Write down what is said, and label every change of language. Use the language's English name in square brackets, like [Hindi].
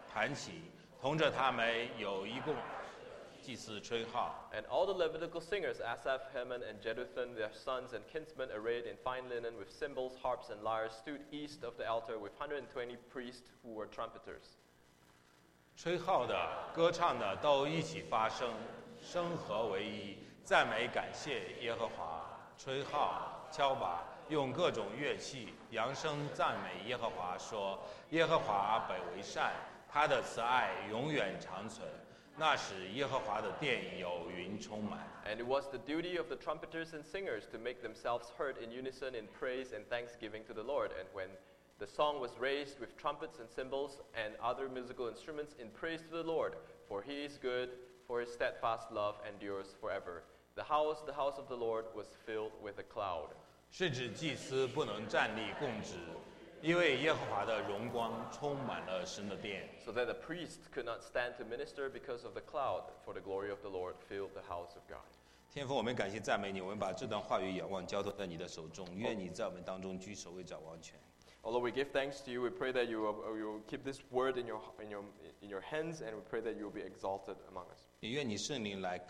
[Chinese] 他们出圣所的时候，歌唱的利未人亚萨、希曼、耶队和他们众弟兄都穿细麻布衣服，站在坛的东边，敲钹、鼓瑟、弹琴，同着他们有一共。 [English] And all the Levitical singers, Asaph, Heman, and Jeduthun, their sons and kinsmen, arrayed in fine linen with cymbals, harps, and lyres, stood east of the altar with 120 priests who were trumpeters. [Chinese] 吹号的、歌唱的都一起发声，声和为一，赞美感谢耶和华。吹号、敲把，用各种乐器扬声赞美耶和华，说：“耶和华本为善，他的慈爱永远长存。” 那时耶和华的殿有云充满。 [English] And it was the duty of the trumpeters and singers to make themselves heard in unison in praise and thanksgiving to the Lord. And when The song was raised with trumpets and cymbals and other musical instruments in praise to the Lord, for he is good, for his steadfast love endures forever. The house of the Lord was filled with a cloud. [Chinese] 是指祭司不能站立供职，因为耶和华的荣光充满了神的殿。 [English] So that the priest could not stand to minister because of the cloud, for the glory of the Lord filled the house of God. [Chinese] 天父，我们感谢赞美你，我们把这段话语仰望交托在你的手中，愿你在我们当中居首位掌王权。 [English] Although we give thanks to you, we pray that you will keep this word in your hands, and we pray that you will be exalted among us.